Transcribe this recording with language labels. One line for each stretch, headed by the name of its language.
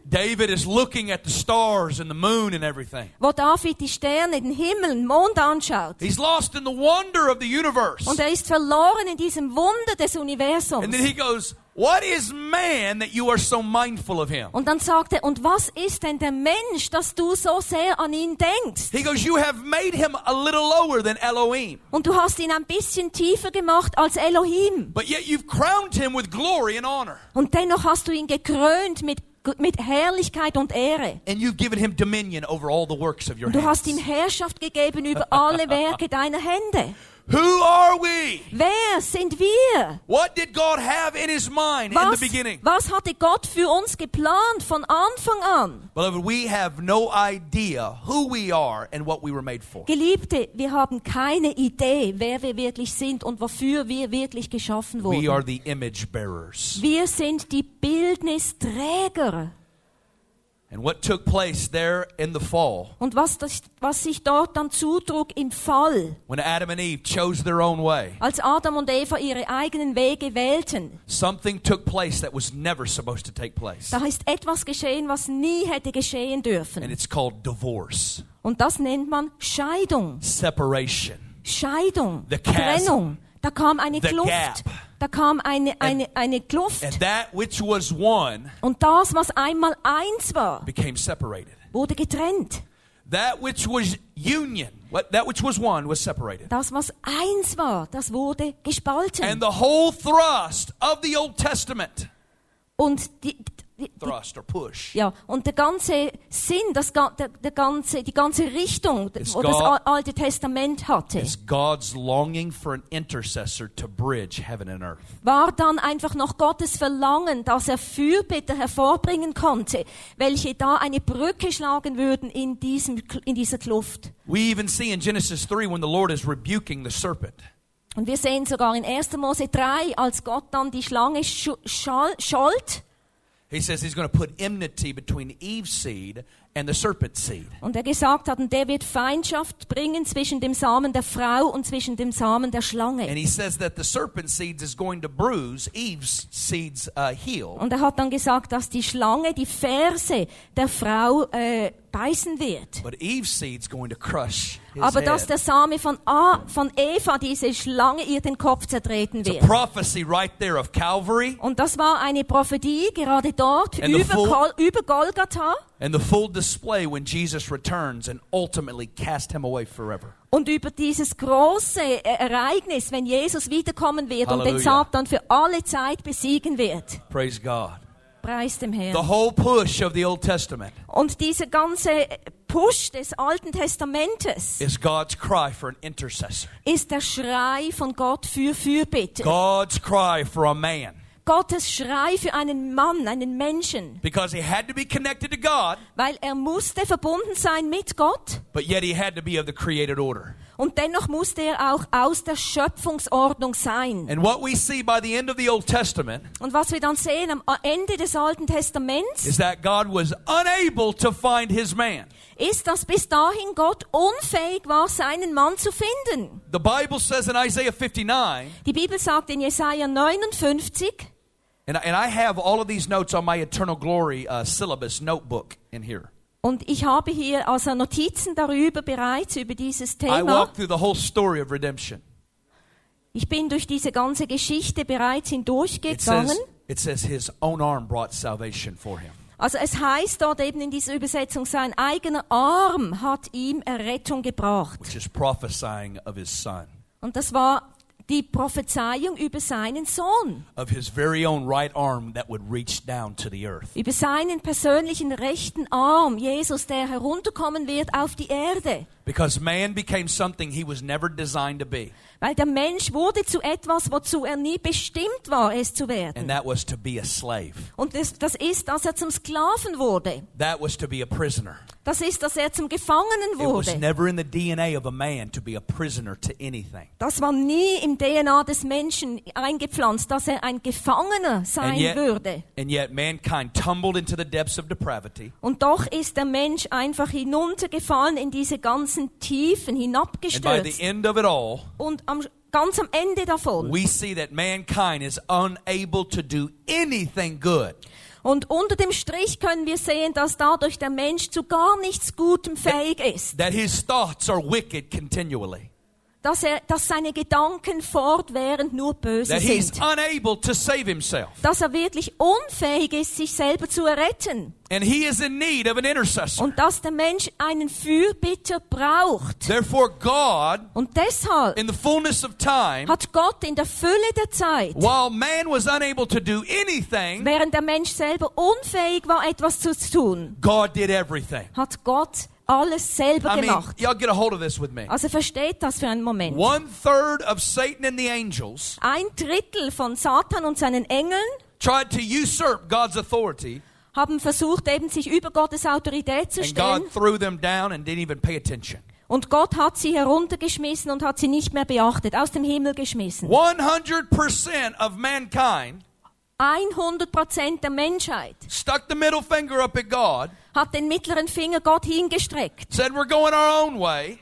English: David is looking at the stars and the moon and everything.
German: Wo David die Sterne, den Himmel, den Mond anschaut.
English: He's lost in the wonder of the universe.
German: Und ist verloren in diesem Wunder des Universums.
English: And then he goes, "What is man that you are so mindful of him?"
German: Und dann sagt er, und was ist denn der Mensch, dass du so sehr an ihn denkst?
English: He goes, "You have made him a little lower than Elohim."
German: Und du hast ihn ein bisschen tiefer gemacht als Elohim.
English: But yet you've crowned him with glory and honor.
German: Und dennoch hast du ihn gekrönt mit Herrlichkeit und Ehre.
English: And you've given him dominion over all the works of your hands.
German: Du hast ihm Herrschaft gegeben über alle Werke deiner Hände.
English: Who are we?
German: Wer sind wir?
English: What did God have in his mind in the beginning?
German: Was hatte Gott für uns geplant von Anfang an?
English: Beloved, we have no idea who we are and what we were made for.
German: Geliebte, wir haben keine Idee, wer wir wirklich sind und wofür wir wirklich geschaffen wurden.
English: We are the image bearers.
German: Wir sind die Bildnisträger.
English: And what took place there in the fall?
German: Und was sich dort dann zutrug im Fall?
English: When Adam and Eve chose their own way.
German: Als Adam und Eva ihre eigenen Wege wählten.
English: Something took place that was never supposed to take place.
German: Da ist etwas geschehen, was nie hätte geschehen dürfen.
English: And it's called divorce.
German: Und das nennt man Scheidung.
English: Separation.
German: Scheidung.
English: The chasm.
German: Trennung. Da kam eine
English: the
German: Kluft.
English: Gap.
German: Da kam eine Kluft.
English: And that which was one,
German: und das, was einmal eins war,
English: became separated.
German: Wurde getrennt.
English: That which was union, that which was one, was separated.
German: Das, was eins war, das wurde gespalten.
English: And the whole thrust of the Old Testament.
German: Und die
English: thrust or push.
German: Ja, und der ganze Sinn, die ganze Richtung, das Alte Testament hatte,
English: is God's longing for an intercessor to bridge heaven and earth.
German: War dann einfach noch Gottes Verlangen, dass er Fürbitter hervorbringen konnte, welche da eine Brücke schlagen würden in dieser Kluft.
English: We even see in Genesis 3 when the Lord is rebuking the serpent.
German: Und wir sehen sogar in 1. Mose 3, als Gott dann die Schlange scholt.
English: He says he's going to put enmity between Eve's seed and the serpent's seed.
German: Und gesagt hat, und der wird Feindschaft bringen zwischen dem Samen der Frau und zwischen dem Samen der Schlange.
English: And he says that the serpent's seed is going to bruise Eve's seed's heel.
German: Und hat dann gesagt, dass die Schlange die Ferse der Frau beißen wird.
English: But Eve's seed's going to crush his
German: Aber
English: head.
German: Dass der Same von Eva, diese Schlange, ihr den Kopf zertreten wird.
English: It's a prophecy right there of Calvary.
German: Und das war eine Prophetie gerade dort über Golgatha.
English: And the full display when Jesus returns and ultimately cast him away forever.
German: Und über dieses große Ereignis, wenn Jesus wiederkommen wird Hallelujah. Und den Satan für alle Zeit besiegen wird.
English: Praise God.
German: Preis dem Herrn.
English: The whole push of the Old Testament.
German: Und dieser ganze Push des Alten Testamentes.
English: Is God's cry for an intercessor.
German: Ist der Schrei von Gott für Fürbitter.
English: God's cry for a man.
German: Gottes Schrei für einen Mann, einen Menschen.
English: Because he had to be connected to God,
German: weil er musste verbunden sein mit Gott.
English: But yet he had to be of the created order.
German: Und dennoch musste er auch aus der Schöpfungsordnung sein.
English: And what we see by the end of the Old Testament,
German: und was wir dann sehen am Ende des Alten Testaments,
English: is that God was unable to find his man.
German: Ist, dass bis dahin Gott unfähig war, seinen Mann zu finden.
English: The Bible says in Isaiah 59,
German: die Bibel sagt in Jesaja 59,
English: and I have all of these notes on my Eternal Glory syllabus notebook in here.
German: Und ich habe hier also Notizen darüber bereits, über dieses Thema.
English: I walked through the whole story of redemption.
German: Ich bin durch diese ganze Geschichte bereits hindurchgegangen.
English: It says his own arm brought salvation for him.
German: Also es heißt dort eben in dieser Übersetzung, sein eigener Arm hat ihm Errettung gebracht.
English: Which is prophesying of his son.
German: Und das war die Prophezeiung über seinen Sohn.
English: Of his very own right arm that would reach down to the earth.
German: Über seinen persönlichen rechten Arm, Jesus, der herunterkommen wird auf die Erde.
English: Because man became something he was never designed to be.
German: Weil der Mensch wurde zu etwas, wozu er nie bestimmt war, es zu werden.
English: And that was to be a slave.
German: Und das ist, dass er zum Sklaven wurde.
English: That was to be a prisoner.
German: Das ist, dass er zum Gefangenen wurde.
English: It was never in the DNA of a man to be a prisoner to anything.
German: Das war nie im DNA des Menschen eingepflanzt, dass er ein Gefangener sein würde.
English: And yet mankind tumbled into the depths of depravity.
German: Und doch ist der Mensch einfach hinuntergefallen in diese ganze Tiefen hinabgestürzt.
English: And by the end of it all,
German: und ganz am Ende davon,
English: we see that mankind is unable to do anything good.
German: Und unter dem Strich können wir sehen, dass dadurch der Mensch zu gar nichts Gutem fähig ist.
English: That his thoughts are wicked continually.
German: Dass seine Gedanken fortwährend nur böse
English: that
German: sind.
English: He's unable to save himself.
German: Dass er wirklich unfähig ist, sich selber zu erretten.
English: And he is in need of an intercessor.
German: Und dass der Mensch einen Fürbitter braucht.
English: Therefore God,
German: und deshalb,
English: in the fullness of time,
German: hat Gott in der Fülle der Zeit,
English: while man was unable to do anything,
German: während der Mensch selber unfähig war, etwas zu tun,
English: God did everything.
German: Hat Gott alles selber gemacht.
English: I mean, y'all get a hold of this with me.
German: Also versteht das für einen Moment.
English: One third of Satan and the angels,
German: ein Drittel von Satan und seinen Engeln,
English: tried to usurp God's authority,
German: haben versucht eben sich über Gottes Autorität zu stellen.
English: And God threw them down and didn't even pay attention.
German: Und Gott hat sie heruntergeschmissen und hat sie nicht mehr beachtet, aus dem Himmel geschmissen.
English: 100% of mankind,
German: 100% der Menschheit,
English: stuck the middle finger up at God,
German: hat den mittleren Finger Gott hingestreckt,
English: said we're going our own way,